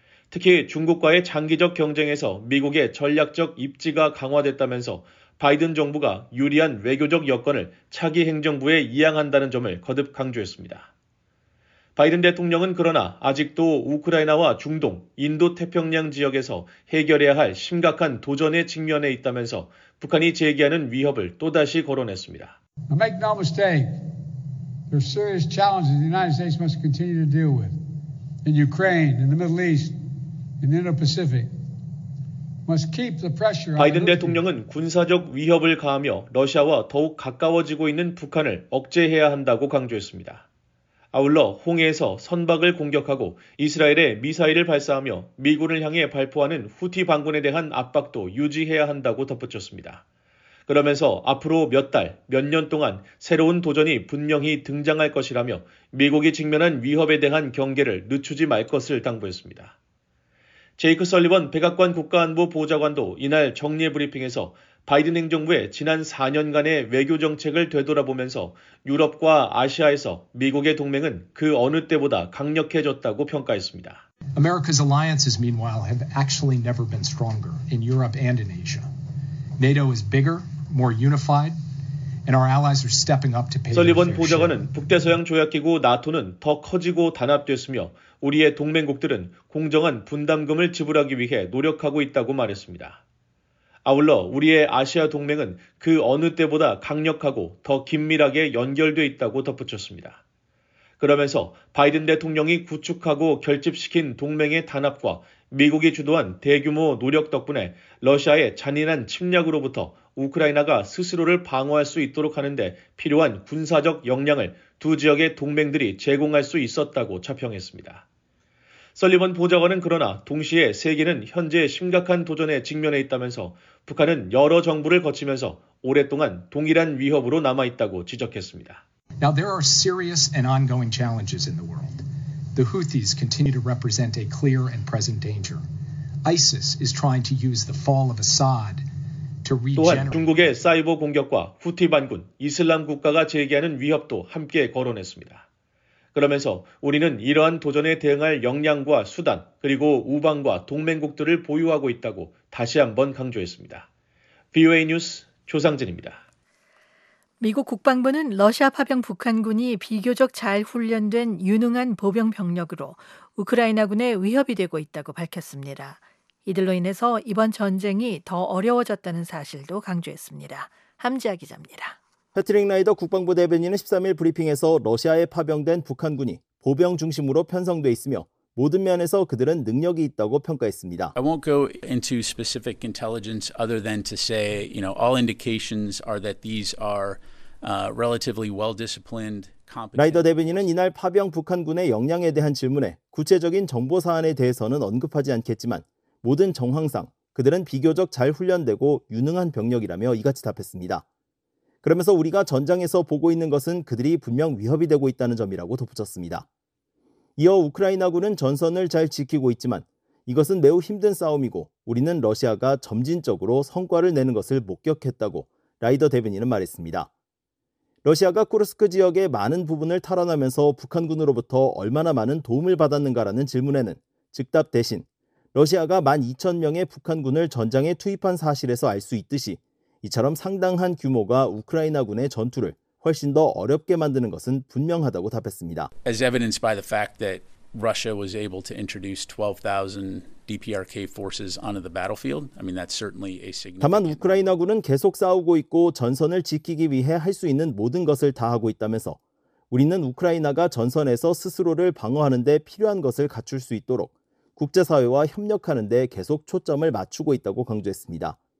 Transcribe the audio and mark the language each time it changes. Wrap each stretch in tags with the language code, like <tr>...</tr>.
<ko>특히 중국과의 장기적 경쟁에서 미국의 전략적 입지가 강화됐다면서 바이든 정부가 유리한 외교적 여건을 차기 행정부에 이양한다는 점을 거듭 강조했습니다. 바이든 대통령은 그러나 아직도 우크라이나와 중동, 인도태평양 지역에서 해결해야 할 심각한 도전에 직면해 있다면서 북한이 제기하는 위협을 또다시 거론했습니다.</ko> <en>Now make no mistake. There are serious challenges the United States must continue to deal with. In Ukraine, in the Middle East, in the Indo-Pacific. Must keep the pressure on.</en> <ko>바이든 대통령은 군사적 위협을 가하며 러시아와 더욱 가까워지고 있는 북한을 억제해야 한다고 강조했습니다. 아울러 홍해에서 선박을 공격하고 이스라엘에 미사일을 발사하며 미군을 향해 발포하는 후티 반군에 대한 압박도 유지해야 한다고 덧붙였습니다. 그러면서 앞으로 몇 달, 몇 년 동안 새로운 도전이 분명히 등장할 것이라며 미국이 직면한 위협에 대한 경계를 늦추지 말 것을 당부했습니다. 제이크 설리번 백악관 국가안보 보좌관도 이날 정례 브리핑에서 바이든 행정부의 지난 4년간의 외교 정책을 되돌아보면서 유럽과 아시아에서 미국의 동맹은 그 어느 때보다 강력해졌다고 평가했습니다.</ko> <en>America's alliances meanwhile have actually never been stronger in Europe and in Asia. NATO is bigger, more unified, and our allies are stepping up to pay.</en> <ko>설리번 보좌관은 북대서양 조약 기구 나토는 더 커지고 단합됐으며 우리의 동맹국들은 공정한 분담금을 지불하기 위해 노력하고 있다고 말했습니다. 아울러 우리의 아시아 동맹은 그 어느 때보다 강력하고 더 긴밀하게 연결돼 있다고 덧붙였습니다. 그러면서 바이든 대통령이 구축하고 결집시킨 동맹의 단합과 미국이 주도한 대규모 노력 덕분에 러시아의 잔인한 침략으로부터 우크라이나가 스스로를 방어할 수 있도록 하는 데 필요한 군사적 역량을 두 지역의 동맹들이 제공할 수 있었다고 자평했습니다. 설리번 보좌관은 그러나 동시에 세계는 현재 심각한 도전에 직면해 있다면서 북한은 여러 정부를 거치면서 오랫동안 동일한 위협으로 남아 있다고 지적했습니다.</ko> <en>Now there are serious and ongoing challenges in the world. The Houthis continue to represent a clear and present danger. ISIS is trying to use the fall of Assad to regenerate.</en> <ko>또한 중국의 사이버 공격과 후티 반군, 이슬람 국가가 제기하는 위협도 함께 거론했습니다. 그러면서 우리는 이러한 도전에 대응할 역량과 수단, 그리고 우방과 동맹국들을 보유하고 있다고 다시 한번 강조했습니다. VOA 뉴스 조상진입니다. 미국 국방부는 러시아 파병 북한군이 비교적 잘 훈련된 유능한 보병 병력으로 우크라이나군에 위협이 되고 있다고 밝혔습니다. 이들로 인해서 이번 전쟁이 더 어려워졌다는 사실도 강조했습니다. 함지아 기자입니다. 패트릭 라이더 국방부 대변인은 13일 브리핑에서 러시아에 파병된 북한군이 보병 중심으로 편성돼 있으며 모든 면에서 그들은 능력이 있다고 평가했습니다.</ko> <en>I won't go into specific intelligence other than to say, you know, all indications are that these are relatively well-disciplined, competent.</en> <ko>라이더 대변인은 이날 파병 북한군의 역량에 대한 질문에 구체적인 정보 사안에 대해서는 언급하지 않겠지만 모든 정황상 그들은 비교적 잘 훈련되고 유능한 병력이라며 이같이 답했습니다. 그러면서 우리가 전장에서 보고 있는 것은 그들이 분명 위협이 되고 있다는 점이라고 덧붙였습니다. 이어 우크라이나군은 전선을 잘 지키고 있지만 이것은 매우 힘든 싸움이고 우리는 러시아가 점진적으로 성과를 내는 것을 목격했다고 라이더 대변인은 말했습니다. 러시아가 쿠르스크 지역의 많은 부분을 탈환하면서 북한군으로부터 얼마나 많은 도움을 받았는가라는 질문에는 즉답 대신 러시아가 12,000명의 북한군을 전장에 투입한 사실에서 알 수 있듯이 이처럼 상당한 규모가 우크라이나군의 전투를 훨씬 더 어렵게 만드는 것은 분명하다고 답했습니다.</ko> <en>As evidenced by the fact that Russia was able to introduce 12,000 DPRK forces onto the battlefield. I mean, that's certainly a significant.</en> <ko>다만 우크라이나군은 계속 싸우고 있고 전선을 지키기 위해 할 수 있는 모든 것을 다 하고 있다면서 우리는 우크라이나가 전선에서 스스로를 방어하는 데 필요한 것을 갖출 수 있도록 국제사회와 협력하는 데 계속 초점을 맞추고 있다고 강조했습니다.</ko>